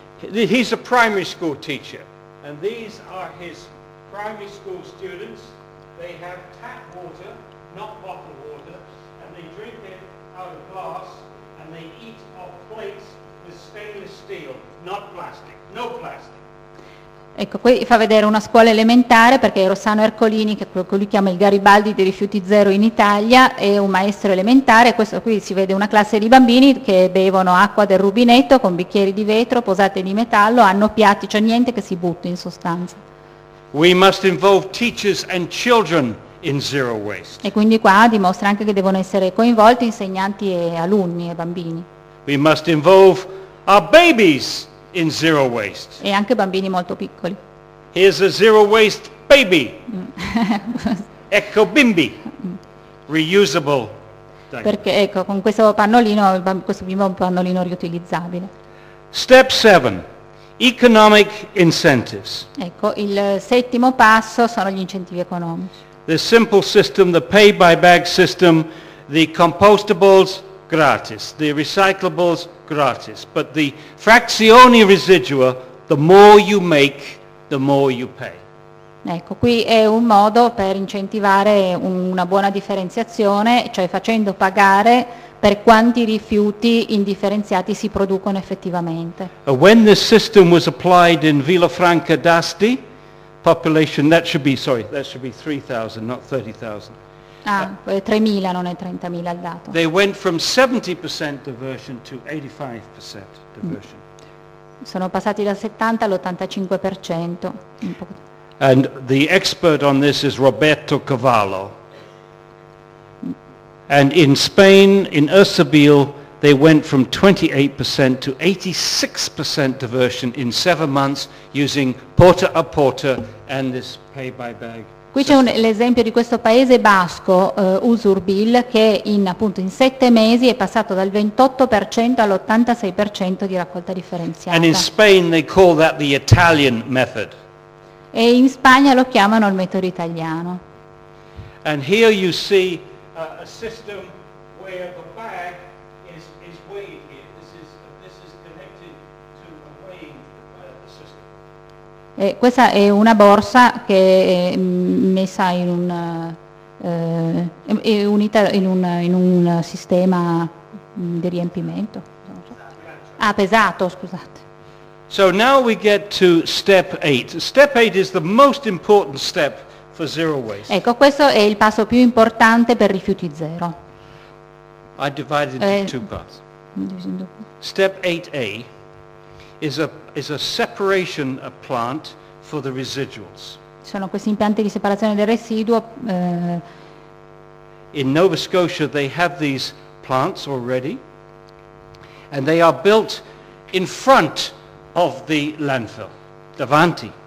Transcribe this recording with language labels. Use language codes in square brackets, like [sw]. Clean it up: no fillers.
[en] He's a primary school teacher. And these are his primary school students. They have tap water, not bottled water, and they drink it out of glass, and they eat off plates with stainless steel, not plastic, no plastic. [it] Ecco, qui fa vedere una scuola elementare, perché Rossano Ercolini, che lui chiama il Garibaldi dei rifiuti zero in Italia, è un maestro elementare. Questo qui si vede una classe di bambini che bevono acqua del rubinetto con bicchieri di vetro, posate di metallo, hanno piatti, cioè niente che si butti in sostanza. [en] We must involve teachers and children in zero waste. [it] E quindi qua dimostra anche che devono essere coinvolti insegnanti e alunni e bambini. [en] We must involve our babies in zero waste. [it] E anche bambini molto piccoli. [en] Here's a zero waste baby. [it] Ecco bimbi. [en] Reusable. [it] Perché ecco, con questo pannolino, questo bimbo è un pannolino riutilizzabile. [en] Step 7. Economic incentives. [it] Ecco, il settimo passo sono gli incentivi economici. [en] The simple system, the pay by bag system, the compostables gratis, the recyclables gratis, but the [it] frazioni residua, [en] the more you make, the more you pay. [it] Ecco, qui è un modo per incentivare una buona differenziazione, cioè facendo pagare per quanti rifiuti indifferenziati si producono effettivamente. [en] When this system was applied in Villafranca d'Asti, population, that should be 3,000, not 30,000. [it] Ah, 3.000, non è 30.000 il dato. [en] They went from 70% diversion to 85% diversion. [it] Sono passati dal 70 all'85%. [en] And the expert on this is Roberto Cavallo. And in Spain, in Ursabil, they went from 28% to 86% diversion in 7 months using [it] porta a porta [en] and this pay by bag. [it] Qui c'è l'esempio di questo paese basco, Usurbil, che in 7 mesi è passato dal 28% all'86% di raccolta differenziata. [en] And in Spain they call that the Italian method. [it] E in Spagna lo chiamano il metodo italiano. [en] And here you see a system where the bag is weighed here. This is connected to a weighing system. [it] E questa è una borsa che è messa unita in un sistema di riempimento. Pesato, scusate. [en] So now we get to step 8. Step 8 is the most important step for zero waste. [it] Ecco, questo è il passo più importante per rifiuti zero. [en] I divide it into two parts. Step 8A is a separation of plant for the residuals. [it] Sono questi impianti di separazione del residuo. [en] In Nova Scotia they have these plants already and they are built in front of the landfill, [it] davanti.